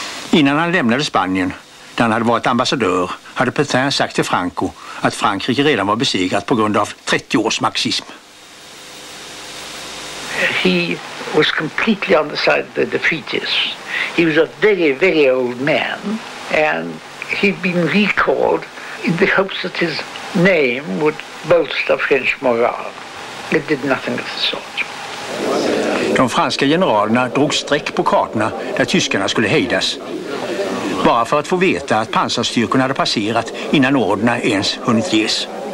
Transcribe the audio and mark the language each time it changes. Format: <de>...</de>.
<sv>Innan han lämnade Spanien, där han hade varit ambassadör, hade Pétain sagt till Franco att Frankrike redan var besegrat på grund av 30 års marxism.</sv> <en>He was completely on the side of the defeatists. He was a very, very old man, and he'd been recalled in the hopes that his name would bolster French morale. It did nothing of the sort.</en> <sv>De franska generalerna drog streck på kartorna där tyskarna skulle hejdas. Bara för att få veta att pansarstyrkorna hade passerat innan orderna ens hunnit ges.</sv>